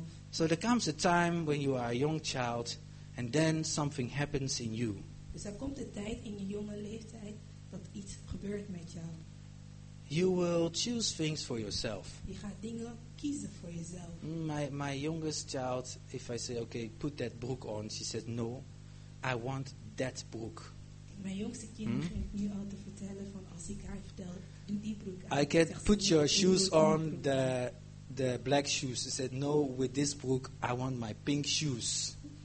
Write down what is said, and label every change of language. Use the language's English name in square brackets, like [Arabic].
[English] So there comes a time when you are a young child and then something happens in you. [Dutch] Dus er komt een tijd in je jonge leeftijd dat iets gebeurt met jou. [English] You will choose things for yourself. [Dutch] Je gaat dingen kiezen voor jezelf. [English] My youngest child, if I say, okay, put that broek on, she said, no, I want that broek. [Dutch] Mijn jongste kind begint nu al te vertellen van als ik haar vertel, doe die broek [English] aan. I can put your shoes on the black shoes. She said, no, with this broek, I want my pink shoes.